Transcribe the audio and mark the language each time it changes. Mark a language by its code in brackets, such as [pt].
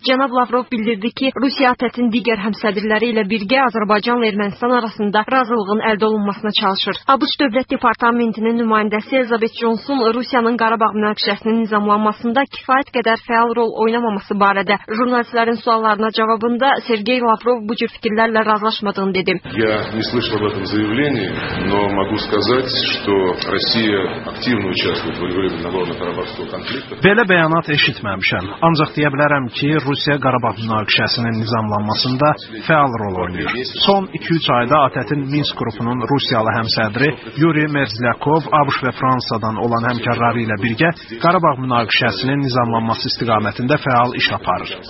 [az] Cənab Lavrov bildirdi ki, Rusiya ATƏT-in digər həmsədrləri ilə birgə Azərbaycanla Ermənistan arasında razılığın əldə olunmasına çalışır. ABŞ Dövlət Departamentinin nümayəndəsi Elizabeth Johnson Rusiyanın Qarabağ münaqişəsinin nizamlanmasında kifayət qədər fəal rol oynamaması barədə jurnalistlərin suallarına cavabında Sergey Lavrov bu cür vəkillərlə razılaşmadığını dedi. [ru] Я не слышал об этом заявлении, но могу сказать, что Россия активно участвует в регулировании Нагорно-Карабахского конфликта. [az] Belə bəyanat eşitməmişəm. Ancaq deyə bilərəm ki, Rusiya Qarabağ münaqişəsinin nizamlanmasında fəal rol oynayır. Son 2-3 ayda ATƏT-in Minsk qrupunun Rusiyalı həmsədri Yuri Merzlyakov ABŞ və Fransadan olan həmkarları ilə birgə Qarabağ münaqişəsinin nizamlanması istiqamətində fəal iş aparır.